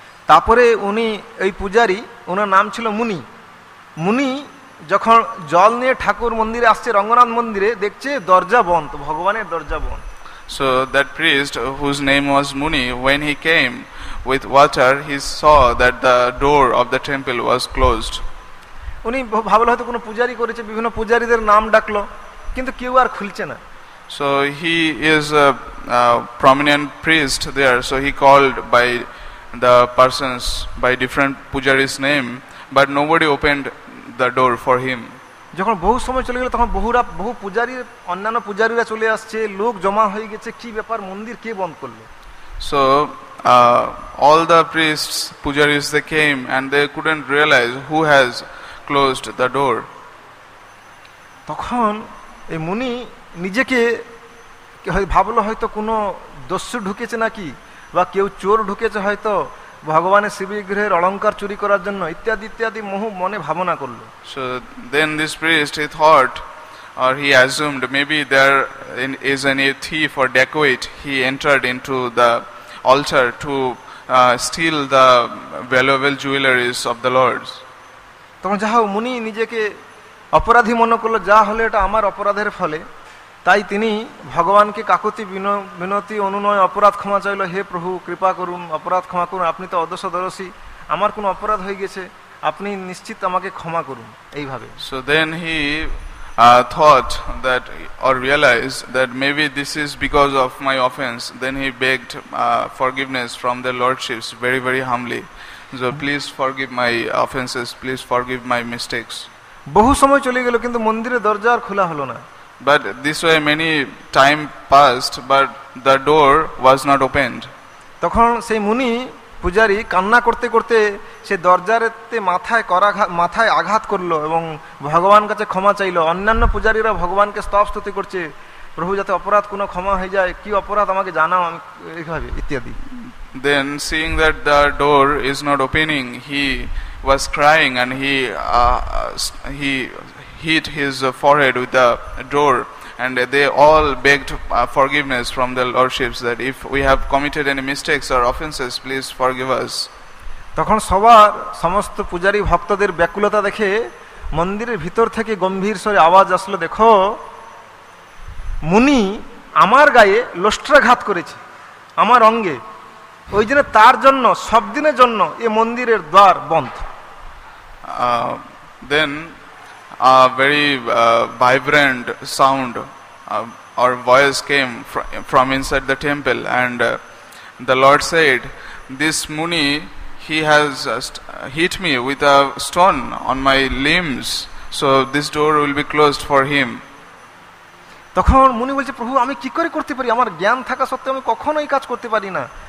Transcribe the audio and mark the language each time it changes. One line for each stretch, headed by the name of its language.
Bangla: তারপরে উনি ওই পূজারি ওনার নাম ছিল মুনি. মুনি যখন জল নিয়ে ঠাকুর মন্দিরে আসছে রঙ্গনাথ মন্দিরে দেখছে দরজা বন্ধ ভগবানের দরজা বন্ধ.
English: So that priest whose name was Muni when he came with water he saw that the door of the temple was closed.
Bangla: উনি ভাবল হয়তো কোনো পূজারি করেছে বিভিন্ন পূজারীদের নাম ডাকলো কিন্তু কেউ আর খুলছে না.
English: So he is a prominent priest there so he called by the persons by different pujari's name but nobody opened the door for him.
Bangla: যখন বহু সময় চলে গেল তখন বহু পূজারি অন্যান্য পূজারিরা চলে আসছে লোক জমা হয়ে গেছে কি ব্যাপার মন্দির কে বন্ধ করলো.
English: So all the priests pujaris they came and they couldn't realize who has closed the door.
Bangla: তখন এই মুনি নিজেকে ভাবলো হয়তো কোনো দস্যু ঢুকেছে নাকি বা কেউ চোর ঢুকেছে হয়তো ভগবানের শিবিগৃহের অলংকার চুরি করার জন্য ইত্যাদি ইত্যাদি মহু মনে ভাবনা করলো.
English: So then this priest he thought or he assumed maybe there is an thief or dacoit he entered into the altar to steal the valuable jewelleries of the lords.
Bangla: তখন যা হোক মুনি নিজেকে অপরাধী মনে করলো যা হলে এটা আমার অপরাধের ফলে তাই তিনি ভগবানকে কাকুতি বিনতি অনুনয় অপরাধ ক্ষমা চাইল হে প্রভু কৃপা করুন অপরাধ ক্ষমা করুন আপনি তো অদর্শ দর্শী আমার কোনো অপরাধ হয়ে গেছে আপনি নিশ্চিত আমাকে ক্ষমা করুন এইভাবে.
English: So then he thought that or realized that maybe this is because of my offense, then he begged forgiveness from the lordships very, very humbly. So please forgive my offenses, please forgive my mistakes.
Bangla: বহু সময় চলে গেল কিন্তু মন্দিরের দরজা আর খোলা হলো না.
English: But this way many time passed, but the door was not opened.
Bangla: তখন সেই মুনি পূজারি কান্না করতে করতে সেই দরজারেতে মাথায় আঘাত করলো এবং ভগবান কাছে ক্ষমা চাইলো. অন্যান্য পূজারীরা ভগবানকে স্তবস্তুতি করছে, প্রভু যাতে অপরাধ কোনো ক্ষমা হয়ে যায়, কি অপরাধ আমাকে জানাও এইভাবে ইত্যাদি.
English: Then seeing that the door is not opening, he was crying and he hit his forehead with the door. And they all begged forgiveness from the lordships that if we have committed any mistakes or offenses, please forgive us.
Bangla: তখন সবার সমস্ত পূজারী ভক্তদের ব্যাকুলতা দেখে মন্দিরের ভিতর থেকে গম্ভীর স্বরে আওয়াজ আসলো, দেখো মুনি আমার গায়ে লষ্ট্রাঘাত করেছে, আমার অঙ্গে, ওই জন্য তার জন্য সবদিনের জন্য এ মন্দিরের দ্বার বন্ধ.
English: Then a very vibrant sound or voice came from inside the temple, and the Lord said, this Muni, he has hit me with a stone on my limbs, so this door will be closed for him.
Bangla: তখন মুনি বলছে, প্রভু আমি কি করে করতে পারি, আমার জ্ঞান থাকা সত্ত্বেও আমি কখনো এই কাজ করতে পারি না.